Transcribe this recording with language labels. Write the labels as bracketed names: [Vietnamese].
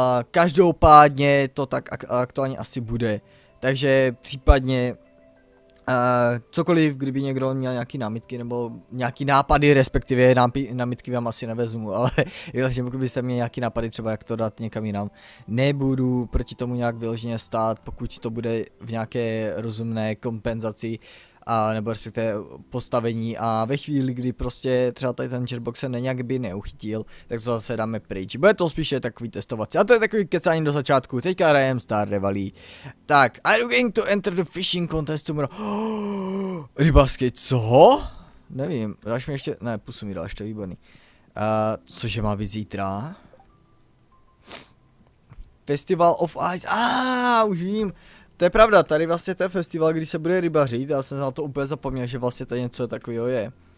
[Czech] Každopádně to tak aktuálně asi bude, takže případně cokoliv, kdyby někdo měl nějaký námitky nebo nějaký nápady, respektive námitky vám asi nevezmu, ale vyloženě pokud byste měli nějaký nápady, třeba jak to dát někam jinam, nebudu proti tomu nějak vyloženě stát, pokud to bude v nějaké rozumné kompenzaci a nebo respektive postavení, a ve chvíli, kdy prostě třeba tady ten chatbox se nějak by neuchytil, tak to zase dáme pryč. Bude to spíše takový testovací. A to je takový kecání do začátku. Teďka hrajem Stardew Valley. [English] Tak, are you going to enter the fishing contest tomorrow? [Czech] Oh, rybarský, co? Nevím, dáš mi ještě, ne, pusu mi dál, ještě výborný. Cože má být zítra? Festival of Ice, už vím. To je pravda, tady vlastně ten festival, když se bude rybařit, já jsem na to úplně zapomněl, že vlastně tady něco takového je.